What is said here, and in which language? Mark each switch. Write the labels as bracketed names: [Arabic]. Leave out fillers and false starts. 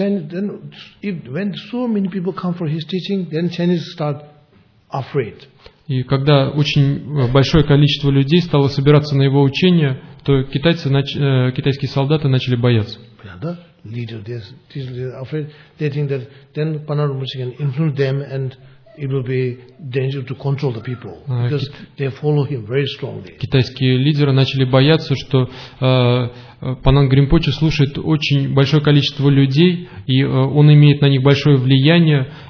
[English] Then if when so many people come for his teaching, then Chinese start afraid. [Russian] И когда очень большое количество людей стало собираться на его учение, то китайские солдаты начали бояться. Да? [English] Leader, they're afraid. They think that then Панарабуче can influence them and it will be dangerous to control the people because they follow him very strongly. [Russian] Китайские лидеры начали бояться, что Пананг Ринпоче слушает очень большое количество людей, и он имеет на них большое влияние.